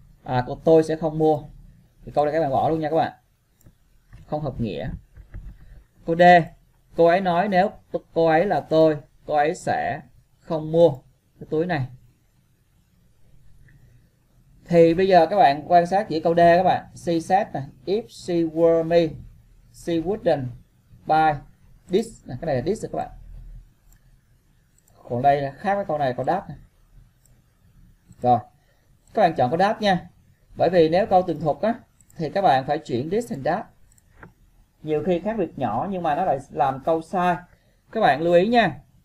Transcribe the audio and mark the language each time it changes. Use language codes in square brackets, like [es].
[vi] À, của tôi sẽ không mua. Thì câu này các bạn bỏ luôn nha các bạn. Không hợp nghĩa. Câu D. Cô ấy nói nếu cô ấy là tôi, cô ấy sẽ không mua cái túi này. Thì bây giờ các bạn quan sát chỉ câu D các bạn. [en] She said này, if she were me, she wouldn't buy this. [vi] Cái này là this rồi các bạn. Còn đây là khác với câu này, câu đáp này. Rồi. Các bạn chọn câu đáp nha. Bởi vì nếu câu tường thuật á thì các bạn phải chuyển this thành đáp. Nhiều khi khác việc nhỏ nhưng mà nó lại làm câu sai. Các bạn lưu ý nha.